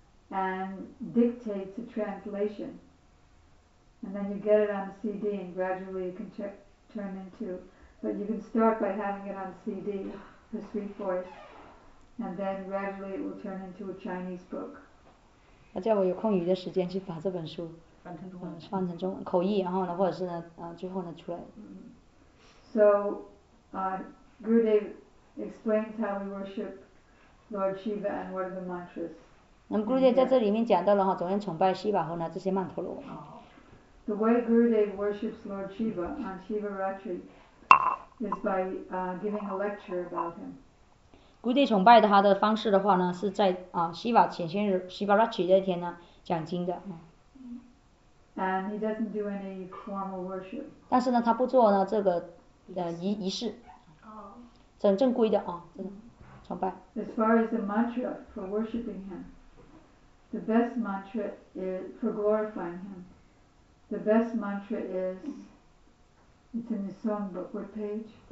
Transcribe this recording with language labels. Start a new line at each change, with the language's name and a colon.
English: and dictates a translation, and then you get it on CD and gradually you can turn into, but you can start by having it on CD, the sweet voice, and then gradually it will turn into a Chinese book.
Chinese: 那叫我有空余的时间去把这本书翻成中文口译，然后呢或者是呢最后呢出来。
English: So Gurudev explains how we worship Lord Shiva and what are the mantras.
Chinese: 那么 Gurudev 在这里面讲到了哈，昨天崇拜西瓦和呢这些曼陀罗。
English: The way Gurudev worships Lord Shiva on Shivaratri is by giving a lecture about him.
Chinese: Gurudev 崇拜的他的方式的话呢，是在啊西瓦显现日 Shivaratri 那天呢讲经的。
English: And he doesn't do any formal worship.
Chinese: 但是呢，他不做呢这个仪式。很正规的啊，崇拜。
English: As far as the mantra for worshipping him, the best mantra is for glorifying him. The best mantra is, it's in the song book, what page?